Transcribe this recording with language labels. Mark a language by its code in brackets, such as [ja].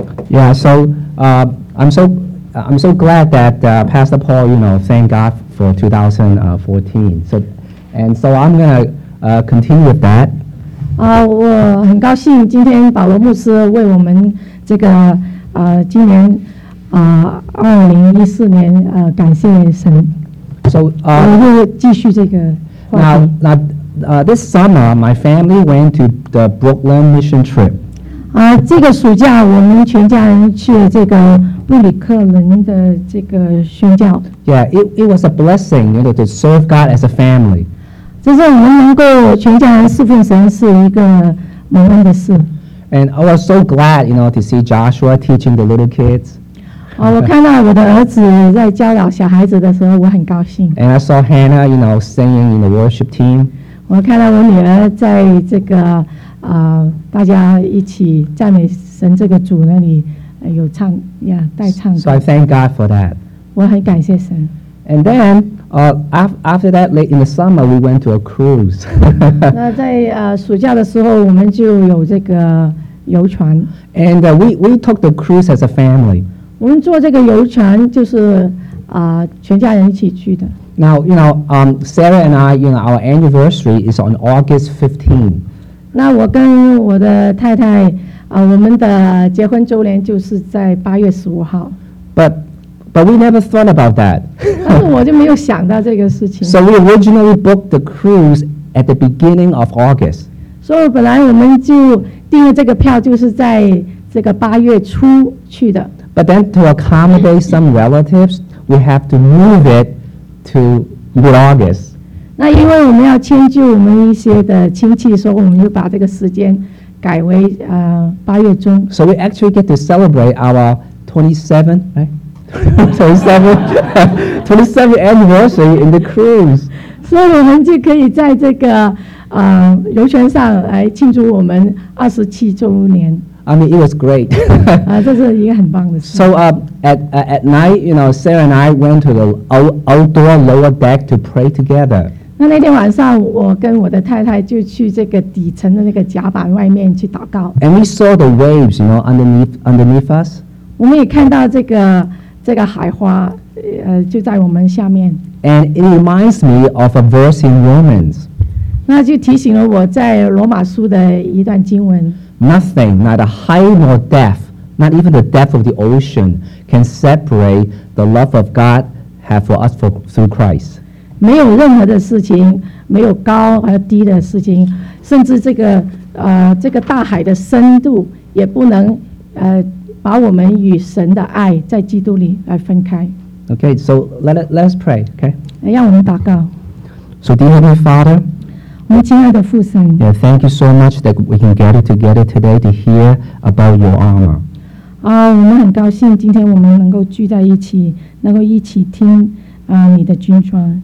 [en] Yeah, so I'm so glad that Pastor Paul, you know, thank God for 2014. So I'm gonna continue with that. [zh] 我很高兴今天保罗牧师为我们这个今年2014年感谢神。 [en] So, [zh] 我会继续这个话题。 [en] This summer, my family went to the Brooklyn mission trip. [zh] 这个暑假我们全家人去了这个布里克林的这个宣教。 [en] Yeah, it was a blessing, you know, to serve God as a family. [zh] 就是我们能够全家人侍奉神是一个蒙恩的事。 [en] And I was so glad, you know, to see Joshua teaching the little kids. [zh] 我看到我的儿子在教导小孩子的时候，我很高兴。 [en] And I saw Hannah, you know, singing in the worship team. [zh] 我看到我女儿在这个大家一起赞美神这个主那里有唱呀带唱。 [en] So I thank God for that. [zh] 我很感谢神。 [en] And then. After that, late in the summer, we went to a cruise. [zh] 那在暑假的时候，我们就有这个游船。 [en] And we took the cruise as a family. [zh] 我们坐这个游船就是全家人一起去的。 [en] Now, you know, Sarah and I, you know, our anniversary is on August 15. [zh] 那我跟我的太太我们的结婚周年就是在八月十五号。 [en] But we never thought about that. [zh] 但是我就没有想到这个事情。 [en] So we originally booked the cruise at the beginning of August. [zh] 所以本来我们就订了这个票，就是在这个八月初去的。 [en] But then to accommodate some relatives, we have to move it to mid-August. [zh] 那因为我们要迁就我们一些的亲戚，所以我们就把这个时间改为八月中。 [en] So we actually get to celebrate our 27th anniversary in the cruise. [zh] 所以我们就可以在这个游船上来庆祝我们二十七周年。 [en] I mean, it was great. [zh] 这是一个很棒的事。 [en] So at night, you know, Sarah and I went to the outdoor lower deck to pray together. [zh] 那天晚上，我跟我的太太就去这个底层的那个甲板外面去祷告。 [en] And we saw the waves, you know, underneath us. [zh] 我们也看到这个海花就在我们下面。 [en] And it reminds me of a verse in Romans. [zh] 那就提醒了我在罗马书的一段经文。 [en] Nothing, neither height nor depth, not even the depth of the ocean, can separate the love of God have for us for, through Christ. [zh] 没有任何的事情，没有高和低的事情，甚至这个这个大海的深度也不能把我们与神的爱在基督里来分开。 [en] Okay, so let's pray. Okay. [zh] 让我们祷告。 [en] So dear Heavenly Father, [zh] 我们亲爱的父神。 [en] Yeah, thank you so much that we can gather together today to hear about your armor. [zh] 我们很高兴今天我们能够聚在一起，能够一起听你的军装。